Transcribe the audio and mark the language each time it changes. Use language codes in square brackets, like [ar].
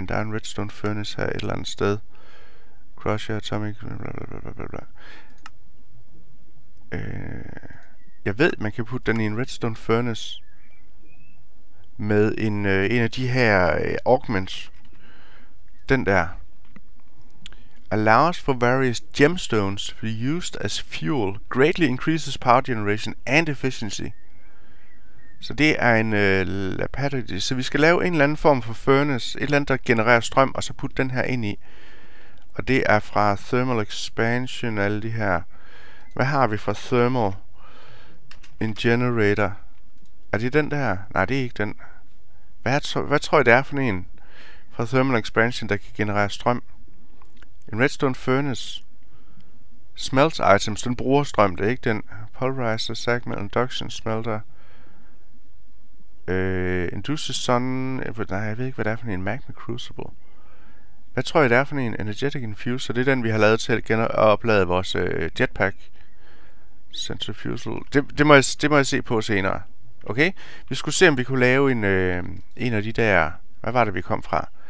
[da] Der er en redstone furnace her et eller andet sted. Crusher, atomic... Blablabla. Jeg ved, man kan putte den i en redstone furnace med en, en af de her augments. Den der. [en] Allows for various gemstones to be used as fuel. Greatly increases power generation and efficiency. [da] Så det er en lapatity. Så vi skal lave en eller anden form for furnace. Et eller andet, der genererer strøm, og så putte den her ind i. Og det er fra thermal expansion, alle de her. Hvad har vi fra thermal? En generator. Er det den der? Nej, det er ikke den. Hvad tror jeg, det er for en? Fra thermal expansion, der kan generere strøm. En redstone furnace. Smelt items, den bruger strøm. Det er ikke den. [en] Pulverizer, segment, induction, smelter. Induces sun. [da] Nej, jeg ved ikke, hvad det er for en magma crucible. Hvad tror jeg, det er for en energetic infuser? Det er den, vi har lavet til at oplade vores jetpack. Centrifugal. Det må jeg se på senere. Okay? Vi skulle se, om vi kunne lave en af de der... Hvad var det, vi kom fra?